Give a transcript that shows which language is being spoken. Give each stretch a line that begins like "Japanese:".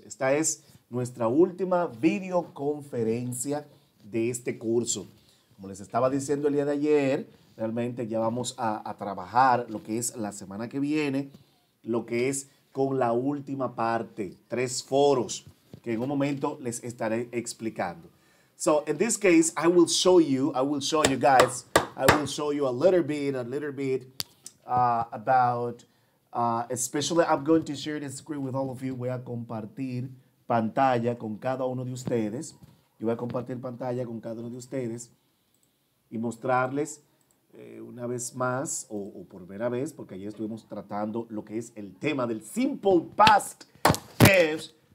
Spanish: Esta es nuestra última videoconferencia de este curso. Como les estaba diciendo el día de ayer, realmente ya vamos a trabajar lo que es la semana que viene, lo que es con la última parte, tres foros, que en un momento les estaré explicando.
English: So in this case, I will show you a little bit about, especially I'm going to share the screen with all of you.
Spanish: Voy a compartir pantalla con cada uno de ustedes. Yo voy a compartir pantalla con cada uno de ustedes y mostrarles una vez más o por primera vez, porque ayer estuvimos tratando lo que es el tema del simple past tense.